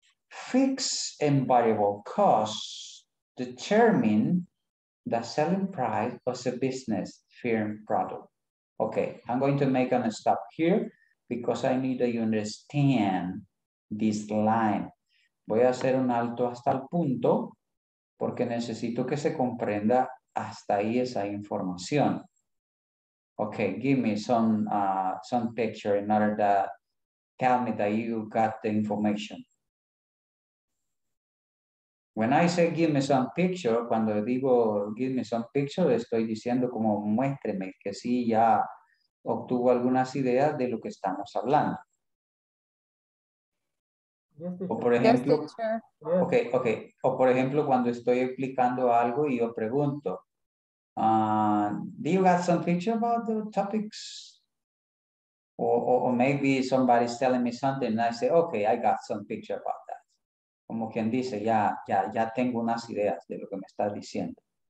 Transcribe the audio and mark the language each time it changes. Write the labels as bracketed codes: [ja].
[en] Fixed and variable costs determine the selling price of a business firm product. Okay, I'm going to make a stop here because I need to understand this line. [es] Voy a hacer un alto hasta el punto porque necesito que se comprenda hasta ahí esa información. [en] Okay, give me some picture in order to tell me that you got the information. When I say give me some picture, [es] cuando digo [en] give me some picture, [es] estoy diciendo como muéstreme que sí ya obtuvo algunas ideas de lo que estamos hablando. [en] Yes, teacher. [es] O por ejemplo, okay. O por ejemplo, cuando estoy explicando algo y yo pregunto. [en] Do you have some picture about the topics? Or maybe somebody's telling me something and I say, okay, I got some picture about that. [es] Como quien dice, ya tengo unas ideas de lo que me estás diciendo.